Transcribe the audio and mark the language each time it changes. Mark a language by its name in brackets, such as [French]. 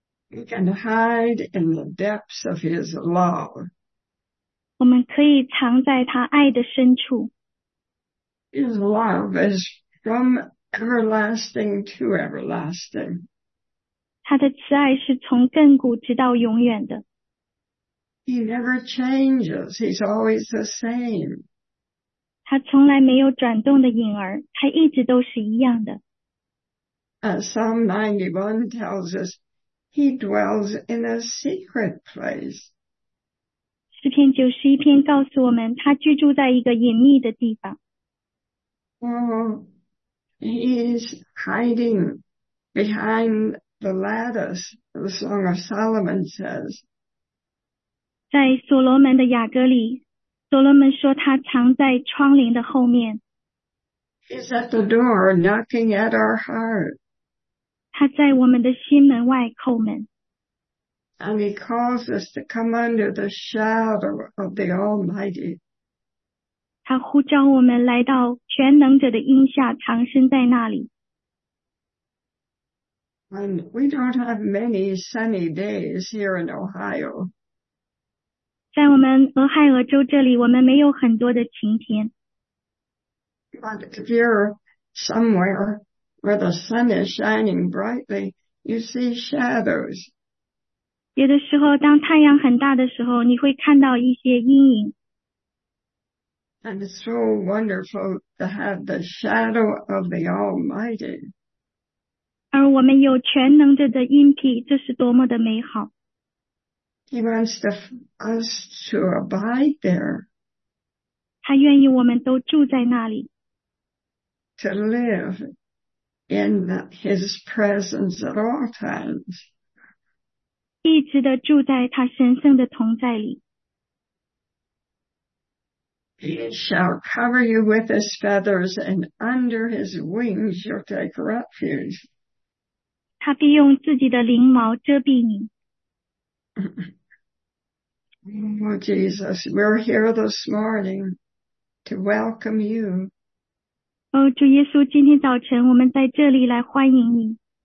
[English] We can hide in the depths of his love. [Chinese] 我们可以藏在他爱的深处。 [English] His love is from everlasting to everlasting. [Chinese] 他的慈爱是从亘古直到永远的。 [English] He never changes. He's always the same. [Chinese] 他从来没有转动的影儿，他一直都是一样的。 [English] Psalm 91 tells us, He dwells in a secret place. [Chinese] 诗篇91篇告诉我们，他居住在一个隐秘的地方。 [English] He's hiding behind the lattice, the Song of Solomon says. [Chinese] 在所罗门的雅歌里，所罗门说他藏在窗棂的后面。 [English] He's at the door knocking at our heart. [Chinese] 他在我们的心门外叩门。 [English] And he calls us to come under the shadow of the Almighty. [Chinese] 他呼召我们来到全能者的荫下，藏身在那里。 [English] And we don't have many sunny days here in Ohio. [Chinese] 在我们俄亥俄州这里，我们没有很多的晴天。 [English] But if you're somewhere where the sun is shining brightly, you see shadows. [Chinese] 有的时候当太阳很大的时候你会看到一些阴影。 [English] And it's so wonderful to have the shadow of the Almighty. [Chinese] 而我们有全能者的荫庇，这是多么的美好。 [English] He wants us to abide there. [Chinese] 他愿意我们都住在那里。 [English] To live in his presence at all times. [Chinese] 一直地住在他神圣的同在里。 [English] He shall cover you with his feathers, and under his wings you'll take refuge. [Chinese] 他必用自己的翎毛遮蔽你。 [English] Oh, Jesus, we're here this morning to welcome you. [Chinese] Oh, 主耶稣，今天早晨我们在这里来欢迎你。